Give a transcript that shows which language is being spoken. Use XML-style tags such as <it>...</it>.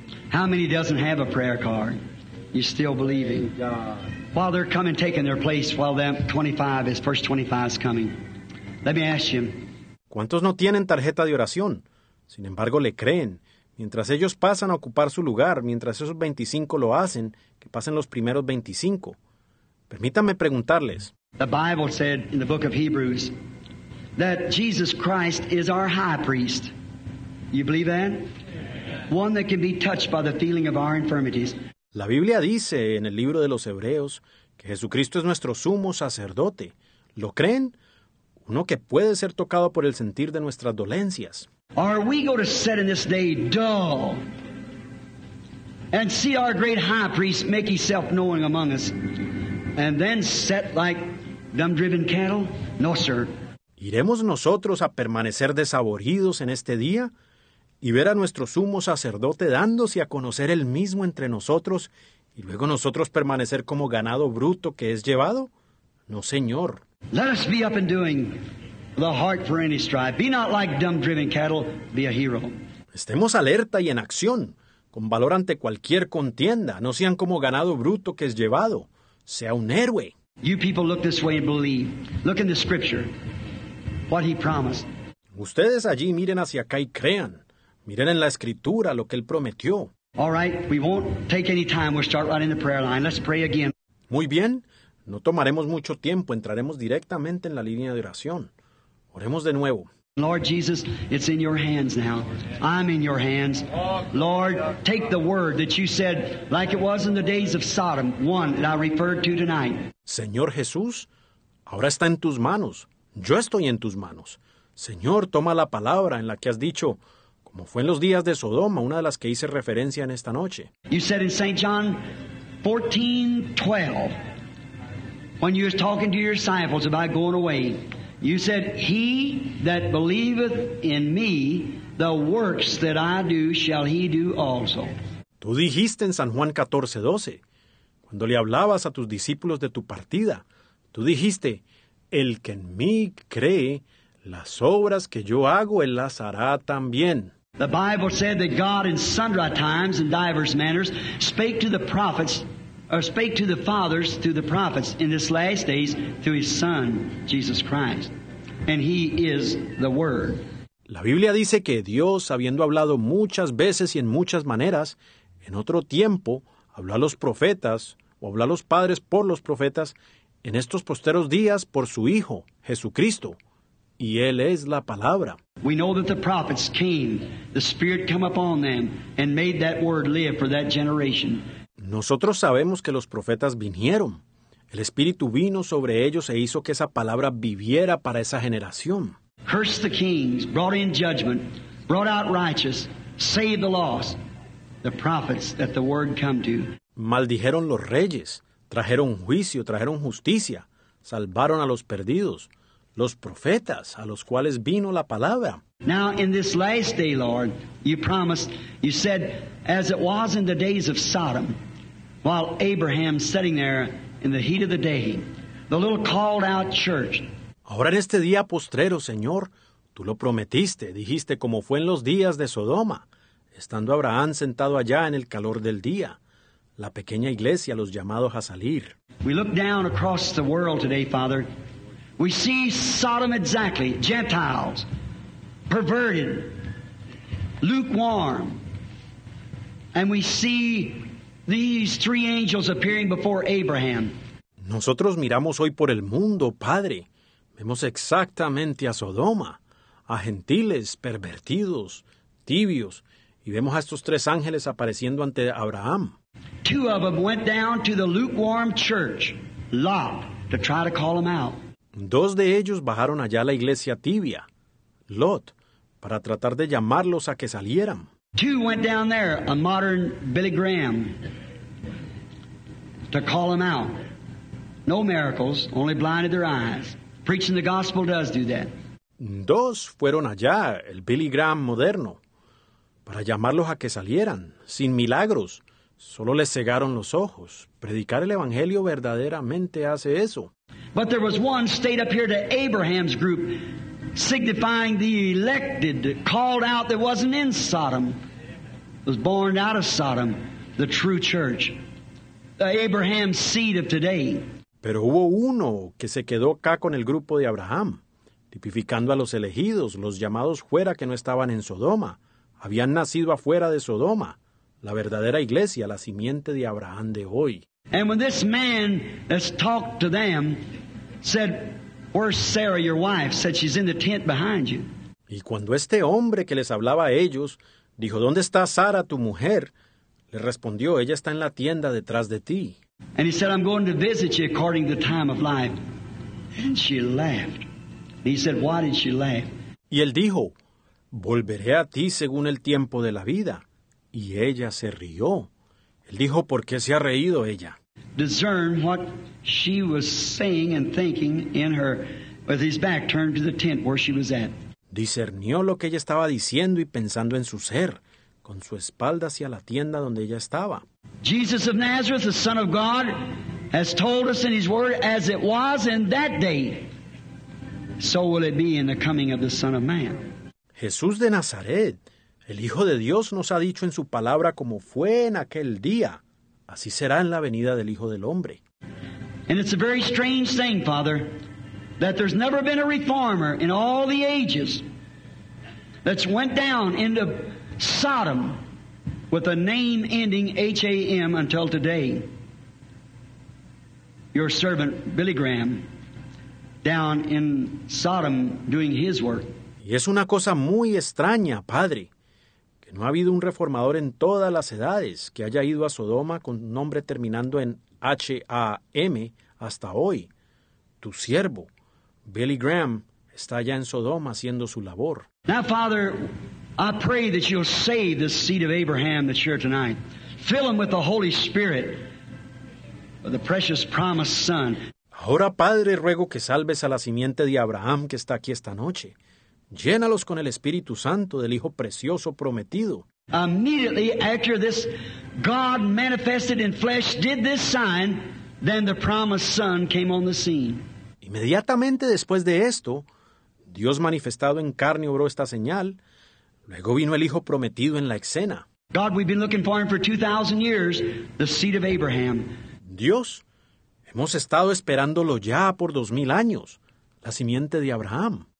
<en>How many doesn't have a prayer card? You're still believing. While they're coming, taking their place, while that 25 is, first 25 is coming. Let me ask you.</en> <es>¿Cuántos no tienen tarjeta de oración? Sin embargo, le creen. Mientras ellos pasan a ocupar su lugar, mientras esos 25 lo hacen, que pasen los primeros 25. Permítanme preguntarles.</es> <en>The Bible said in the book of Hebrews that Jesus Christ is our high priest. You believe that? One that can be touched by the feeling of our infirmities.</en> <es>La Biblia dice en el libro de los Hebreos que Jesucristo es nuestro sumo sacerdote. ¿Lo creen? Uno que puede ser tocado por el sentir de nuestras dolencias.</es> <en>Are we going to sit in this day dull and see our great high priest make himself known among us and then set like dumb-driven cattle? No, sir.</en> <es>¿Iremos nosotros a permanecer desaboridos en este día? Y ver a nuestro sumo sacerdote dándose a conocer él mismo entre nosotros, y luego nosotros permanecer como ganado bruto que es llevado? No, señor.</es> <en>Let us be up and doing the heart for any strife. Be not like dumb-driven cattle, be a hero.</en> <es>Estemos alerta y en acción, con valor ante cualquier contienda. No sean como ganado bruto que es llevado. Sea un héroe.</es> <en>You people look this way and believe. Look in the scripture, what he promised.</en> <es>Ustedes allí miren hacia acá y crean. Miren en la escritura lo que él prometió.</es> <en>All right, we won't take any time. We'll start right in the prayer line. Let's pray again.</en> <es>Muy bien, no tomaremos mucho tiempo. Entraremos directamente en la línea de oración. Oremos de nuevo.</es> <en>Lord Jesus, it's in your hands now. I'm in your hands. Lord, take the word that you said, like it was in the days of Sodom, one that I referred to tonight.</en> <es>Señor Jesús, ahora está en tus manos. Yo estoy en tus manos. Señor, toma la palabra en la que has dicho... Como fue en los días de Sodoma, una de las que hice referencia en esta noche.</es> <en>You said in St. John 14:12, when you was talking to your disciples about going away, You said, "He that believeth in me, the works that I do shall he do also."</en> <es>Tú dijiste en San Juan 14:12, cuando le hablabas a tus discípulos de tu partida, tú dijiste, "El que en mí cree, las obras que yo hago, él las hará también."</es> <en>The Bible said that God in sundry times and diverse manners spake to the prophets, or spake to the fathers through the prophets in this last days through his Son, Jesus Christ. And he is the Word.</en> <es>La Biblia dice que Dios, habiendo hablado muchas veces y en muchas maneras, en otro tiempo, habló a los profetas, o habló a los padres por los profetas, en estos posteros días por su Hijo, Jesucristo. Y Él es la Palabra.</es> <en>We know that the prophets came, the Spirit come upon them, and made that Word live for that generation.</en> <es>Nosotros sabemos que los profetas vinieron. El Espíritu vino sobre ellos e hizo que esa palabra viviera para esa generación.</es> <en>Cursed the kings, brought in judgment, brought out righteous, saved the lost, the prophets that the Word come to.</en> <es>Maldijeron los reyes, trajeron juicio, trajeron justicia, salvaron a los perdidos. Los profetas a los cuales vino la palabra.</es> <en>Now in this last day, Lord, you promised, you said, as it was in the days of Sodom, while Abraham sitting there in the heat of the day, the little called out church.</en> <es>Ahora en este día postrero, Señor, tú lo prometiste, dijiste como fue en los días de Sodoma, estando Abraham sentado allá en el calor del día, la pequeña iglesia, los llamados a salir.</es> <en>We look down across the world today, Father. We see Sodom exactly, Gentiles, perverted, lukewarm. And we see these three angels appearing before Abraham.</en> <es>Nosotros miramos hoy por el mundo, Padre. Vemos exactamente a Sodoma, a gentiles, pervertidos, tibios. Y vemos a estos tres ángeles apareciendo ante Abraham.</es> <en>Two of them went down to the lukewarm church, Lot, to try to call them out.</en> <es>Dos de ellos bajaron allá a la iglesia tibia, Lot, para tratar de llamarlos a que salieran.</es> <en>Two went down there, a modern Billy Graham, to call them out. No miracles, only blinded their eyes. Preaching the gospel does do that.</en> <es>Dos fueron allá, el Billy Graham moderno, para llamarlos a que salieran, sin milagros. Solo les cegaron los ojos. Predicar el Evangelio verdaderamente hace eso.</es> <en>But there was one stayed up here to Abraham's group, signifying the elected, called out that wasn't in Sodom, was born out of Sodom, the true church, the Abraham's seed of today.</en> <es>Pero hubo uno que se quedó acá con el grupo de Abraham, tipificando a los elegidos, los llamados fuera que no estaban en Sodoma, habían nacido afuera de Sodoma, la verdadera iglesia, la simiente de Abraham de hoy.</es> <en>And when this man has talked to them, said, "Where's Sarah, your wife?" Said, "She's in the tent behind you."</en> <es>Y cuando este hombre que les hablaba a ellos dijo, "¿Dónde está Sara, tu mujer?" Le respondió, "Ella está en la tienda detrás de ti."</es> <en>And he said, "I'm going to visit you according to the time of life." And she laughed. And he said, "Why did she laugh?"</en> <es>Y él dijo, "Volveré a ti según el tiempo de la vida." Y ella se rió. Él dijo, ¿por qué se ha reído ella?</es> <en>Discern what she was saying and thinking in her, with his back turned to the tent where she was at.</en> <es>Discernió lo que ella estaba diciendo y pensando en su ser, con su espalda hacia la tienda donde ella estaba.</es> <en>Jesus of Nazareth, the Son of God, has told us in his word, as it was in that day, so will it be in the coming of the Son of Man.</en> <es>Jesús de Nazaret, el Hijo de Dios, nos ha dicho en su palabra como fue en aquel día. Así será en la venida del Hijo del Hombre.</es> <en>And it's a very strange thing, Father, that there's never been a reformer in all the ages that's went down into Sodom with a name ending H-A-M until today. Your servant Billy Graham down in Sodom doing his work.</en> <es>Y es una cosa muy extraña, Padre. No ha habido un reformador en todas las edades que haya ido a Sodoma con un nombre terminando en H-A-M hasta hoy. Tu siervo, Billy Graham, está allá en Sodoma haciendo su labor.</es> <en>Now, Father, I pray that you'll save the seed of Abraham that's here tonight. Fill him with the Holy Spirit, the precious promised Son.</en> <es>Ahora, Padre, ruego que salves a la simiente de Abraham que está aquí esta noche. Llénalos con el Espíritu Santo del Hijo precioso prometido.</es> <en>Immediately after this God manifested in flesh did this sign, then the promised son came on the scene.</en> <es>Inmediatamente después de esto, Dios manifestado en carne obró esta señal. Luego vino el Hijo prometido en la escena.</es> <en>God, we've been looking for him for 2,000 years, the seed of Abraham.</en> <es>Dios, hemos estado esperándolo ya por 2,000 años, la simiente de Abraham.</es>